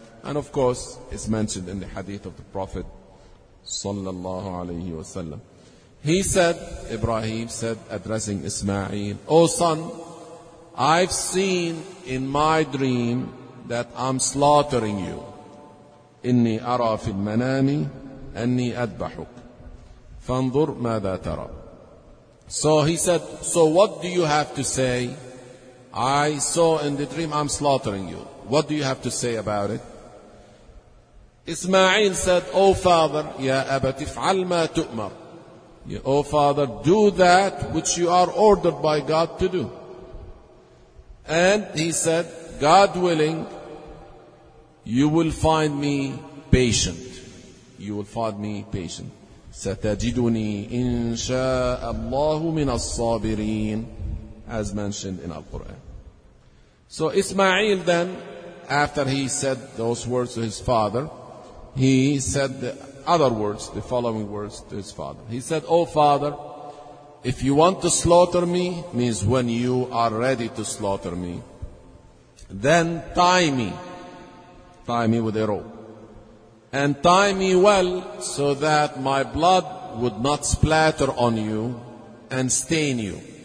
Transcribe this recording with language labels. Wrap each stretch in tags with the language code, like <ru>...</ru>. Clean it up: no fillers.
<en>And of course, it's mentioned in the hadith of the Prophet sallallahu alayhi wa sallam. He said, Ibrahim said, addressing Ismail, O son, I've seen in my dream that I'm slaughtering you.</en> <ar>إني أرى في المنام أني أذبحك فانظر ماذا ترى.</ar> <en>So he said, so what do you have to say? I saw in the dream I'm slaughtering you. What do you have to say about it? Ismail said, O father,</en> <ar>يا أبت افعل ما تؤمر.</ar> <en>O father, do that which you are ordered by God to do. And he said, God willing, you will find me patient. You will find me patient.</en> <ar>ستجدني إن شاء الله من الصابرين,</ar> <en>as mentioned in Al-Quran. So Ismail then, after he said those words to his father, he said the following words to his father. He said, O father, if you want to slaughter me, means when you are ready to slaughter me, then tie me with a rope, and tie me well so that my blood would not splatter on you and stain you.</en>